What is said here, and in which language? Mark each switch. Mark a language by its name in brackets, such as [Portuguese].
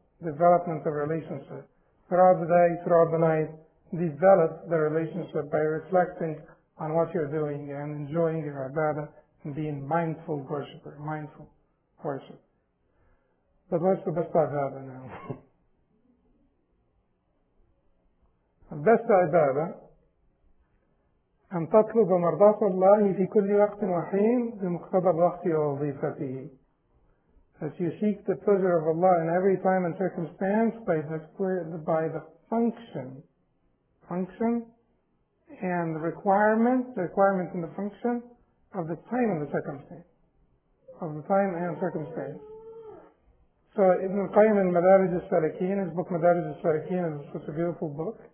[English] Development of relationship. Throughout the day, throughout the night, develop the relationship by reflecting on what you're doing and enjoying your ibadah and being mindful worshiper, mindful worship. But what's the best ibadah now? Best ibadah, [Arabic] أن تطلب مرضاة الله في كل وقت وحين بمقتضى الوقت ووظيفته. [English] as you seek the pleasure of Allah in every time and circumstance by the function and the requirements and the function of the time and the circumstance. Of the time and circumstance. So Ibn Qayyim in Madarij al-Salikin, his book Madarij al-Salikin is such a beautiful book.